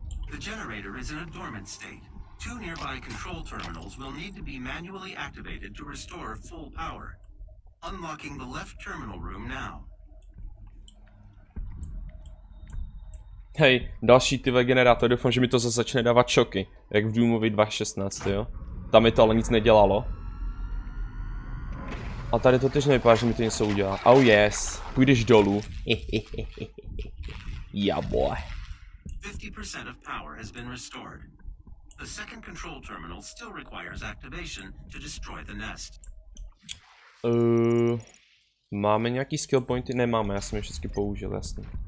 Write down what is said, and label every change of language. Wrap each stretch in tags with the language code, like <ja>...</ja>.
<en>The generator is in a dormant state. Two nearby control terminals will need to be manually activated to restore full power. Unlocking the left terminal room now.</en> <cs>Hej, další tyve generátor, doufám, že mi to zase začne dávat šoky, jak v Doomovi 2.16, jo? Tam mi to ale nic nedělalo. A tady to tež nevypadá, že mi to něco udělá.</cs> <en>Oh yes,</en> <cs>půjdeš dolů. Jaboj.</cs> <en>50% of power has been restored. The second control terminal still requires activation to destroy the nest.</en> <cs>Máme nějaký skill pointy? Nemáme, já jsem je všechny použil, jasně.</cs>